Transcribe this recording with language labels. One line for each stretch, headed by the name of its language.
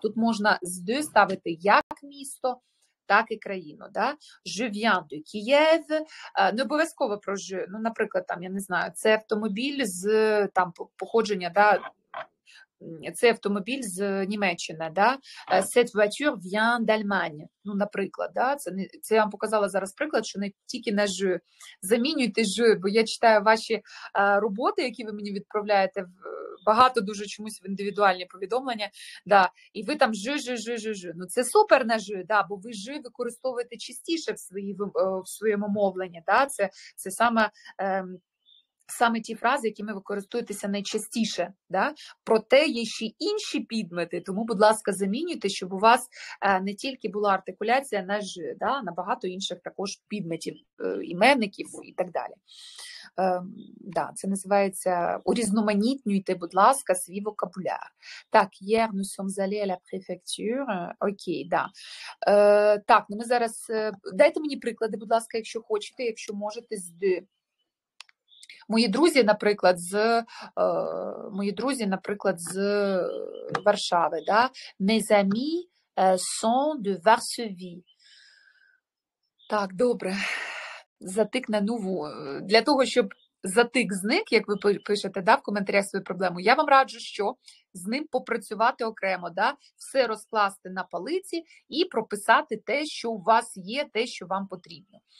Ukrainian: Тут можна з «de» ставити як місто, так і країну, да?
French: «Je viens de Kiev»,
Ukrainian: не обов'язково про «je», ну, наприклад, там, я не знаю, це автомобіль з там походження, да, це автомобіль з Німеччини, да?
French: «Cette voiture vient d'Allemagne»,
Ukrainian: ну, наприклад, да? Це я вам показала зараз приклад, що не тільки на «je», замінюйте «je», бо я читаю ваші роботи, які ви мені відправляєте, багато дуже чомусь в індивідуальні повідомлення, да? І ви там «je», ну, це супер на «je», да? Бо ви «je» використовуєте частіше в своєму мовленні, да? Це саме... саме ті фрази, якими ви користуєтеся найчастіше. Да? Проте є ще інші підмети, тому, будь ласка, замінюйте, щоб у вас не тільки була артикуляція на «ж», да? На багато інших також підметів, іменників і так далі. Да, це називається «урізноманітнюйте, будь ласка, свій вокабуляр».
French: Так, «hier nous sommes allés à la préfecture».
Ukrainian: Окей, да. Так, ну ми зараз... Дайте мені приклади, будь ласка, якщо хочете, якщо можете, з «de». Мої друзі, наприклад, з Варшави, да?
French: Mes amis sont de Varsovie.
Ukrainian: Так, добре. Затик на нову. Для того, щоб затик зник, як ви пишете, да, в коментарях свою проблему, я вам раджу, що з ним попрацювати окремо, да? Все розкласти на полиці і прописати те, що у вас є, те, що вам потрібно.